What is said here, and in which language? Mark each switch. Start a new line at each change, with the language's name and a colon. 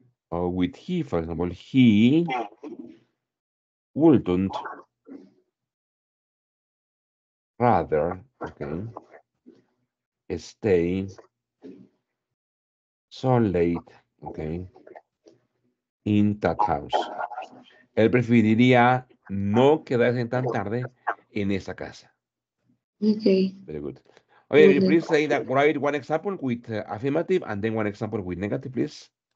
English: Or with he, for example, he wouldn't rather, okay, stay so late, okay, in that house.
Spanish: Él preferiría no quedarse tan tarde en esa casa.
English: Okay. Very good. Okay, mm-hmm. Please say that, write one example with affirmative and then one example with negative, please.